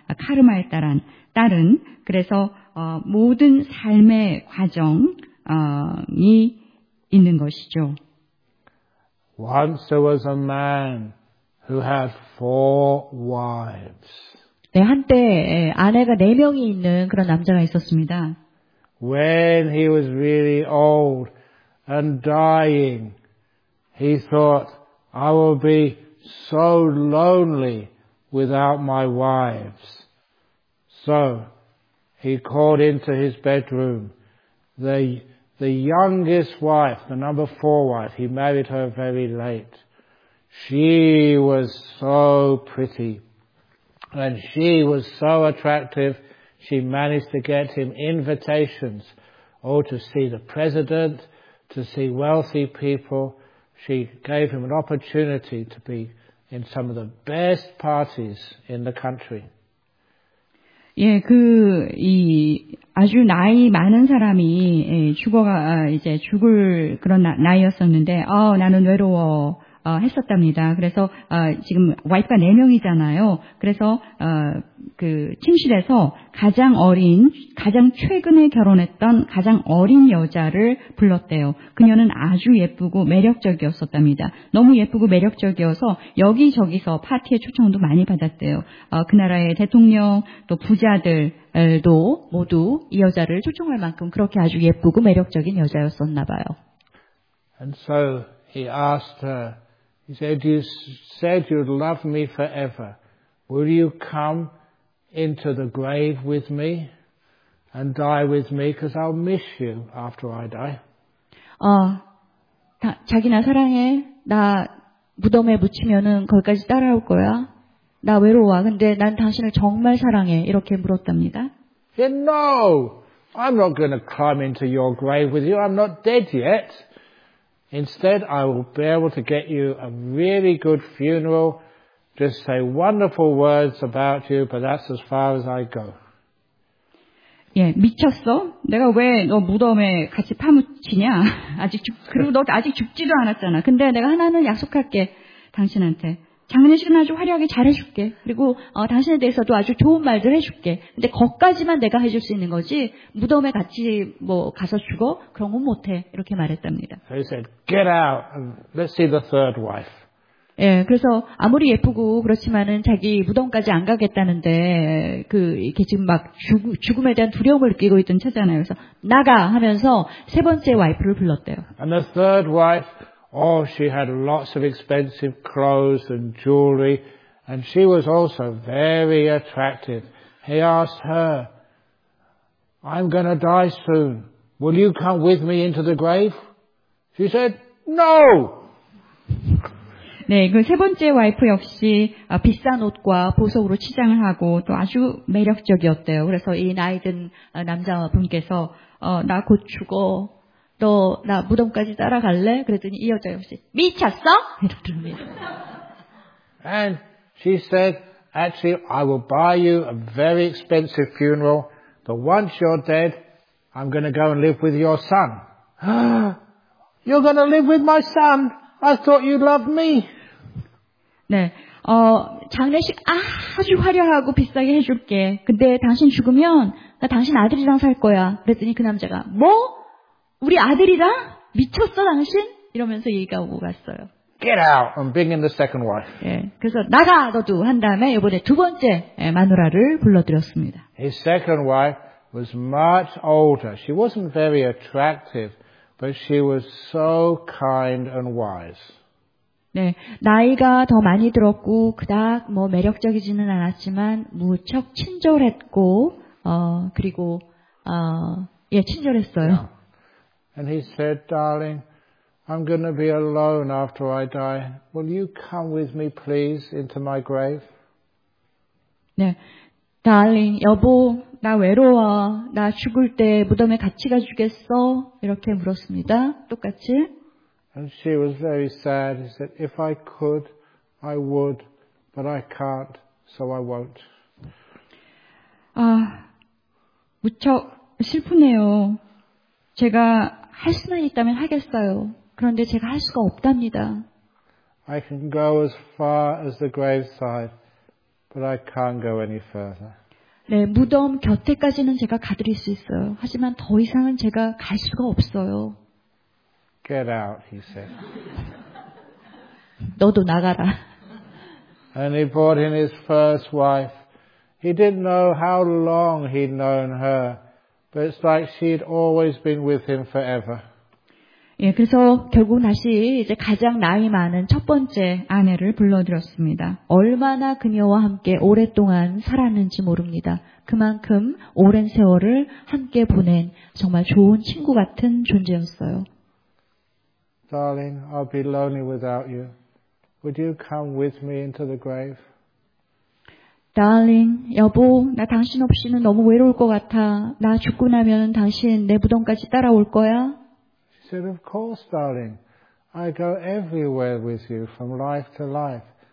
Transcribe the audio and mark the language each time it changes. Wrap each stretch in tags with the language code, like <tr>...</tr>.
<ko>카르마에 따른 그래서 모든 삶의 과정이 있는 것이죠.</ko> <en>Once there was a man who had four wives.</en> <ko>네, 한때 아내가 네 명이 있는 그런 남자가 있었습니다.</ko> <en>When he was really old and dying, he thought, I will be so lonely without my wives. So, he called into his bedroom the youngest wife, the number four wife. He married her very late. She was so pretty, and she was so attractive, she managed to get him invitations, all to see the president, to see wealthy people. She gave him an opportunity to be in some of the best parties in the country.</en> <ko>예, 그, 이, 아주 나이 많은 사람이, 예, 이제 죽을 그런 나이였었는데, 나는 외로워. 했었답니다. 그래서 지금 와이프가 네 명이잖아요. 그래서 그 침실에서 가장 최근에 결혼했던 가장 어린 여자를 불렀대요. 그녀는 아주 예쁘고 매력적이었었답니다. 너무 예쁘고 매력적이어서 여기저기서 파티에 초청도 많이 받았대요. 그 나라의 대통령 또 부자들도 모두 이 여자를 초청할 만큼 그렇게 아주 예쁘고 매력적인 여자였었나 봐요.</ko> <en>And so he asked her. He said, you said you'd love me forever. Will you come into the grave with me and die with me? Because I'll miss you after I die.</en> <ko>자기 나 사랑해. 나 무덤에 묻히면은 거기까지 따라올 거야. 나 외로워. 근데 난 당신을 정말 사랑해. 이렇게 물었답니다.</ko> <en>Said, no, I'm not going to climb into your grave with you. I'm not dead yet. Instead, I will be able to get you a really good funeral. Just say wonderful words about you, but that's as far as I go.</en> <ko>예, 미쳤어? 내가 왜 너 무덤에 같이 파묻히냐? 그리고 너 아직 죽지도 않았잖아. 근데 내가 하나는 약속할게, 당신한테. 장례식은 아주 화려하게 잘해줄게. 그리고 당신에 대해서도 아주 좋은 말들 해줄게. 근데 거기까지만 내가 해줄 수 있는 거지 무덤에 같이 뭐 가서 죽어? 그런 건 못해. 이렇게 말했답니다.</ko> <en>He said, get out and let's see the third wife.</en> <ko>예, 그래서 아무리 예쁘고 그렇지만은 자기 무덤까지 안 가겠다는데 그 이렇게 지금 막 죽음에 대한 두려움을 느끼고 있던 차잖아요. 그래서 나가 하면서 세 번째 와이프를 불렀대요.</ko> <en>And the third wife, oh, she had lots of expensive clothes and jewelry, and she was also very attractive. He asked her, "I'm going to die soon. Will you come with me into the grave?" She said, "No."</en> <ko>네, 그 세 번째 와이프 역시 비싼 옷과 보석으로 치장을 하고 또 아주 매력적이었대요. 그래서 이 나이든 남자분께서 나 곧 죽어. 너 나 무덤까지 따라갈래? 그랬더니 이 여자 역시 미쳤어? 이러더라고요.</ko> <en>And she said, "Actually, I will buy you a very expensive funeral. But once you're dead, I'm going to go and live with your son." "You're going to live with my son? I thought you loved me."</en> <ko>네, 장례식 아주 화려하고 비싸게 해줄게. 근데 당신 죽으면 나 당신 아들이랑 살 거야. 그랬더니 그 남자가 뭐? 우리 아들이랑? 미쳤어 당신? 이러면서 얘기가 오고 갔어요.</ko> <en>"Get out and bring in the second wife."</en> <ko>예, 그래서 나가 너도 한 다음에 이번에 두 번째 마누라를 불러드렸습니다.</ko> <en>His second wife was much older. She wasn't very attractive, but she was so kind and wise.</en> <ko>네, 나이가 더 많이 들었고 그닥 뭐 매력적이지는 않았지만 무척 친절했고 그리고 예 친절했어요.</ko> <en>And he said, "Darling, I'm going to be alone after I die. Will you come with me, please, into my grave?"</en> <ko>네, "Darling, 여보, 나 외로워. 나 죽을 때 무덤에 같이 가주겠어?" 이렇게 물었습니다. 똑같이.</ko> <en>And she was very sad. He said, "If I could, I would, but I can't, so I won't."</en> <ko>아, 무척 슬프네요. 제가 할 수만 있다면 하겠어요. 그런데 제가 할 수가 없답니다.</ko> <en>"I can go as far as the graveside, but I can't go any further."</en> <ko>네, 무덤 곁에까지는 제가 가드릴 수 있어요. 하지만 더 이상은 제가 갈 수가 없어요.</ko> <en>"Get out," he said.</en> <ko>너도 나가라.</ko> <en>And he brought in his first wife. He didn't know how long he'd known her, but it's like she'd always been with him forever.</en> <ko>예, 그래서 결국 다시 이제 가장 나이 많은 첫 번째 아내를 불러드렸습니다. 얼마나 그녀와 함께 오랫동안 살았는지 모릅니다. 그만큼 오랜 세월을 함께 보낸 정말 좋은 친구 같은 존재였어요.</ko> <en>"Darling, I'll be lonely without you. Would you come with me into the grave?"</en> <ko>"Darling, 여보, 나 당신 없이는 너무 외로울 것 같아. 나 죽고 나면 당신 내 무덤까지 따라올 거야?"</ko> <en>"She said, 'Of course, darling. I go everywhere with you from life to life.</en>